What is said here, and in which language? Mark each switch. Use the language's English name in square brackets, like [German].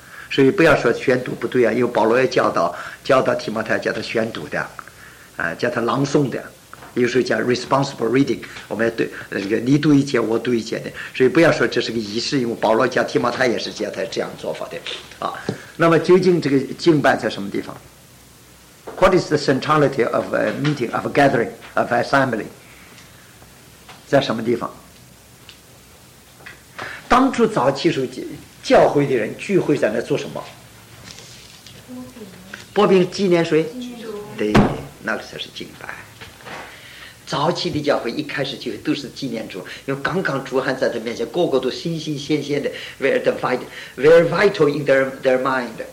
[Chinese] 所以不要说宣读不对啊，因为保罗也教导提摩太，叫他宣读的，叫他朗诵的，有时候叫 [English] responsible reading， [Chinese] 我们要对这个你读一节，我读一节的。所以不要说这是个仪式，因为保罗教提摩太也是教他这样做法的啊。那么究竟这个敬拜在什么地方？ [English] What is the centrality of a meeting, of a gathering, of an assembly? [Chinese] 在什么地方？当初早期时候，教会的人聚会在那做什么？薄饼纪念谁？对，那个才是敬拜。早期的教会一开始就都是纪念主，因为刚刚主还在他面前，个个都新新鲜鲜的 ， [English] very vital in their mind。